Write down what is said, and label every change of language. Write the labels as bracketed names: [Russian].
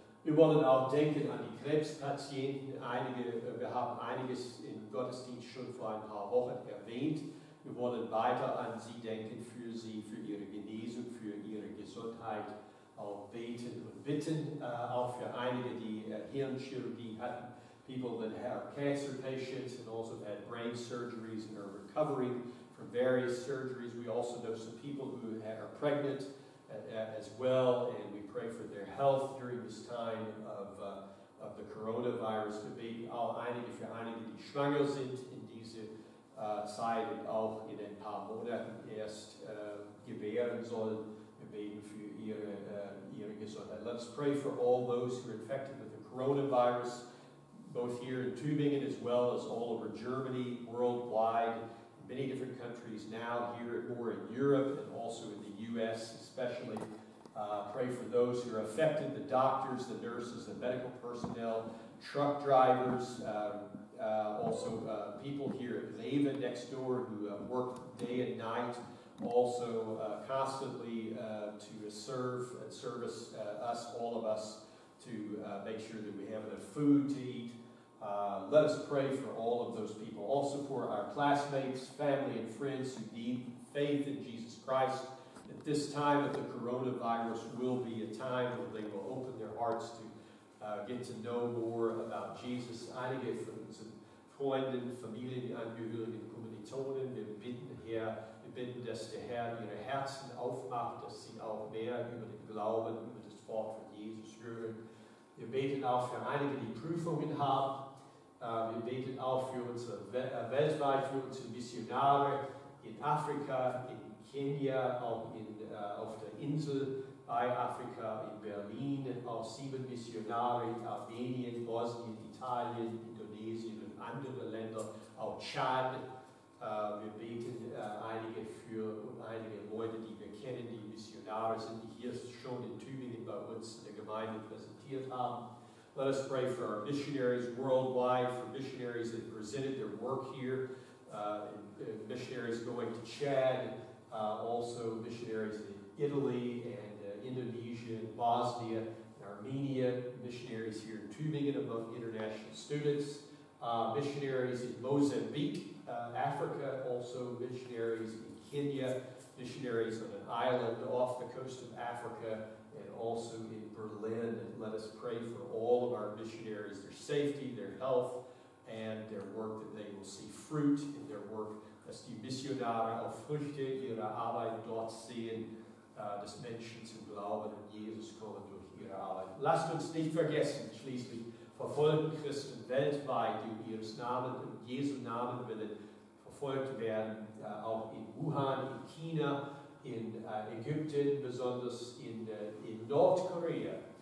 [German] Wir wollen auch denken an die Krebspatienten. Wir haben einiges im Gottesdienst schon vor ein paar Wochen erwähnt. Wir wollen weiter an sie denken, für sie, für ihre Genesung, für ihre Gesundheit auch beten und bitten. Auch für einige, die Hirnchirurgie hatten. [English] People that have cancer patients and also had brain surgeries and are recovering from various surgeries. We also know some people who are pregnant as well, and we pray for their health during this time of the coronavirus. [German] Wir beten auch einige für einige, die schwanger sind in dieser Zeit und auch in ein paar Monaten erst gebären sollen. Wir beten für ihre Gesundheit. [English] Let's pray for all those who are infected with the coronavirus, both here in Tübingen as well as all over Germany, worldwide, in many different countries now, here or in Europe and also in the U.S. especially. Pray for those who are affected, the doctors, the nurses, the medical personnel, truck drivers, also people here at Leven next door who work day and night, also constantly to serve and service us, all of us, to make sure that we have enough food to eat. Let us pray for all of those people. Also for our classmates, family, and friends who need faith in Jesus Christ, that this time of the coronavirus will be a time when they will open their hearts to get to know more about Jesus. [German] Einige von unseren Freunden, Familienangehörigen, Kommilitonen, wir bitten, dass der Herr ihre Herzen aufmacht, dass sie auch mehr über den Glauben, über das Wort von Jesus hören. Wir beten auch für einige, die Prüfungen haben. Wir beten auch für unsere weltweit für unsere Missionare in Afrika, in Kenia, auch auf der Insel bei Afrika, in Berlin, auch 7 Missionare in Armenien, Bosnien, Italien, Indonesien und andere Länder, auch Tschad. Wir beten einige für einige Leute, die wir kennen, die Missionare sind, die hier schon in Tübingen bei uns in der Gemeinde präsentiert haben. [English] Let us pray for our missionaries worldwide, for missionaries that presented their work here, missionaries going to Chad, also missionaries in Italy and Indonesia, and Bosnia, and Armenia, missionaries here in Tübingen among international students, missionaries in Mozambique, Africa, also missionaries in Kenya, missionaries on an island off the coast of Africa, and also in Berlin. And let us pray for all of our missionaries, their safety, their health, and their work, that they will see fruit in their work. [German] Dass die Missionare auf Früchte ihrer Arbeit dort sehen, dass Menschen zum Glauben an Jesus kommen durch ihre Arbeit. Lasst uns nicht vergessen, schließlich verfolgen Christen weltweit, die in Jesu Namen willen verfolgt werden, auch in Wuhan, in China, in Ägypten, besonders in Nordkorea.